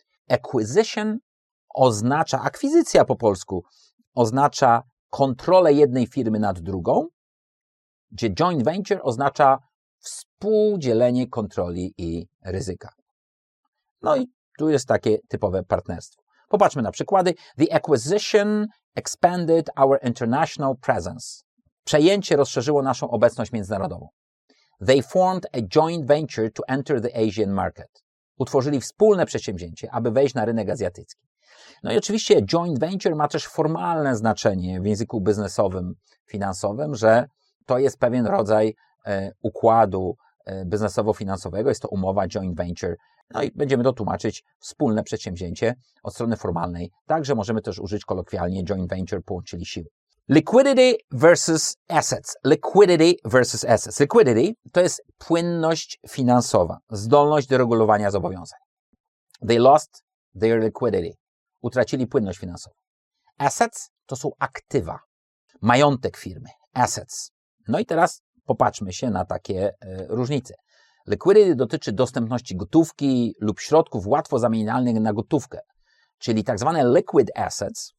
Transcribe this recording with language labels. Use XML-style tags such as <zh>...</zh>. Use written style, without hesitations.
<pl>Acquisition oznacza, akwizycja po polsku, oznacza kontrolę jednej firmy nad drugą, gdzie joint venture oznacza współdzielenie kontroli i ryzyka. No i tu jest takie typowe partnerstwo. Popatrzmy na przykłady.</pl> <en>The acquisition expanded our international presence.</en> <pl>Przejęcie rozszerzyło naszą obecność międzynarodową.</pl> <en>They formed a joint venture to enter the Asian market.</en> <pl>Utworzyli wspólne przedsięwzięcie, aby wejść na rynek azjatycki. No i oczywiście joint venture ma też formalne znaczenie w języku biznesowym, finansowym, że to jest pewien rodzaj układu, biznesowo-finansowego, jest to umowa joint venture, no i będziemy to tłumaczyć wspólne przedsięwzięcie od strony formalnej, także możemy też użyć kolokwialnie joint venture, połączyli siły.</pl> <en>Liquidity versus assets. Liquidity versus assets.</en> <pl>Liquidity to jest płynność finansowa, zdolność do regulowania zobowiązań.</pl> <en>They lost their liquidity.</en> <pl>Utracili płynność finansową. Assets to są aktywa, majątek firmy, assets. No i teraz popatrzmy się na takie różnice. Liquidity dotyczy dostępności gotówki lub środków łatwo zamienialnych na gotówkę, czyli tak zwane liquid assets.</pl>